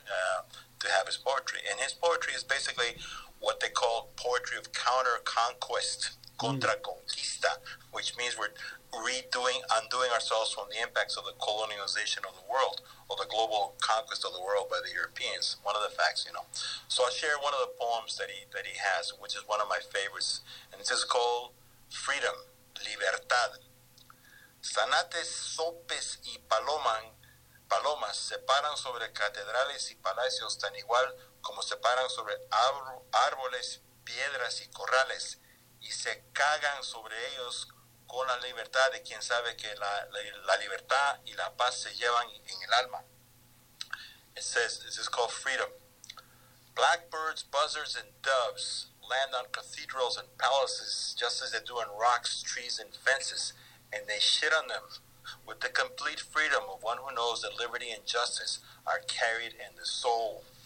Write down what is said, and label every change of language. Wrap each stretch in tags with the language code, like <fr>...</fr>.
<en>To have his poetry. And his poetry is basically what they call poetry of counter-conquest, contra-conquista, which means we're undoing ourselves from the impacts of the colonization of the world, or the global conquest of the world by the Europeans. One of the facts, you know. So I'll share one of the poems that he has, which is one of my favorites. And this is called Freedom, Libertad.</en> <es>Sanates, sopes y paloman, palomas separan sobre catedrales y palacios tan igual como separan sobre árboles, piedras y corrales, y se cagan sobre ellos con la libertad de quien sabe que la libertad y la paz se llevan en el alma.</es> <en>It says, this is called Freedom. Blackbirds, buzzards, and doves land on cathedrals and palaces just as they do on rocks, trees, and fences, and they shit on them. With the complete freedom of one who knows that liberty and justice are carried in the soul.</en>